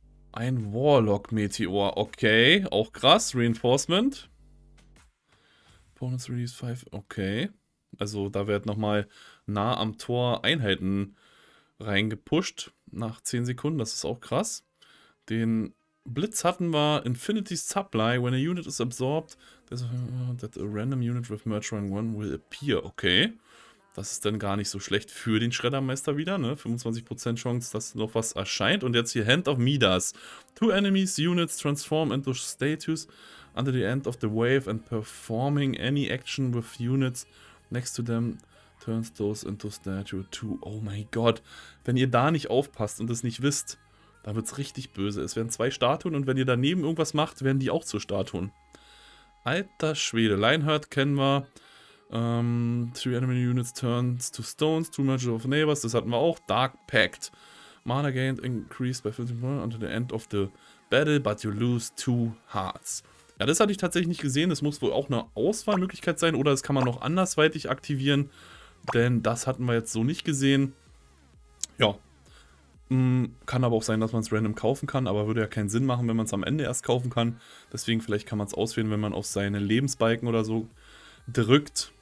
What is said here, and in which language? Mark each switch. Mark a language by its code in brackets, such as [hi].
[de] Ein Warlock-Meteor. Okay, auch krass. Reinforcement. [en] Bonus Release 5, okay. [de] Also da wird nochmal nah am Tor Einheiten reingepusht nach 10 Sekunden. Das ist auch krass. Den Blitz hatten wir. [en] Infinity Supply. When a unit is absorbed, that a random unit with Merge Rank 1 will appear. Okay. [de] Das ist dann gar nicht so schlecht für den Schreddermeister wieder. Ne? 25% Chance, dass noch was erscheint. Und jetzt hier Hand of Midas. [en] Two enemies, units transform into statues under the end of the wave and performing any action with units next to them turns those into statue 2. [de] Oh mein Gott. Wenn ihr da nicht aufpasst und es nicht wisst, dann wird es richtig böse. Es werden zwei Statuen und wenn ihr daneben irgendwas macht, werden die auch zu Statuen. Alter Schwede. Lionheart kennen wir. [en] Three enemy units turns to stones, two merges of neighbors, [de] das hatten wir auch. [en] Dark Pact. Mana gained increased by 15% until the end of the battle, but you lose two hearts. [de] Ja, das hatte ich tatsächlich nicht gesehen. Das muss wohl auch eine Auswahlmöglichkeit sein oder das kann man noch andersweitig aktivieren, denn das hatten wir jetzt so nicht gesehen. Ja. Kann aber auch sein, dass man es random kaufen kann, aber würde ja keinen Sinn machen, wenn man es am Ende erst kaufen kann. Deswegen vielleicht kann man es auswählen, wenn man auf seine Lebensbalken oder so drückt.